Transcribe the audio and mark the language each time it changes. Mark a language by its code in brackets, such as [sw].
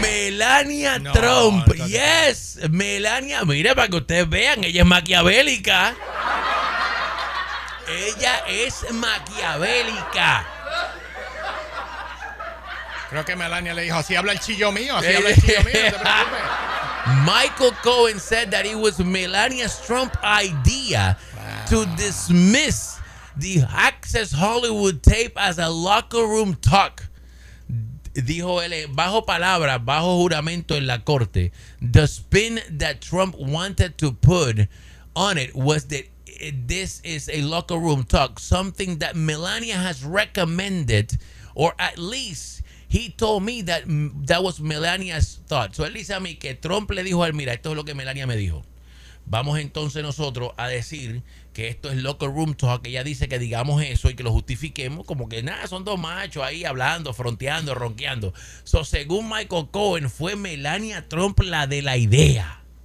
[es] ¡Melania Trump! No, ¡yes! ¡Melania! Mire, para que ustedes vean, ella es maquiavélica. ¡Ella es maquiavélica! Creo que Melania le dijo, así habla el chillo mío, así habla el chillo mío, no te preocupes. [en] Michael Cohen said that it was Melania's Trump idea to dismiss the Access Hollywood tape as a locker room talk. [es] Dijo él, bajo palabra, bajo juramento en la corte, [en] the spin that Trump wanted to put on it was that this is a locker room talk, something that Melania has recommended, or at least he told me that was Melania's thought. [es] So él dice a mí que Trump le dijo a él, mira, esto es lo que Melania me dijo. Vamos entonces nosotros a decir que esto es [en] locker room talk. [es] Ella dice que digamos eso y que lo justifiquemos como que nada, son dos machos ahí hablando, fronteando, ronqueando. So según Michael Cohen, fue Melania Trump la de la idea.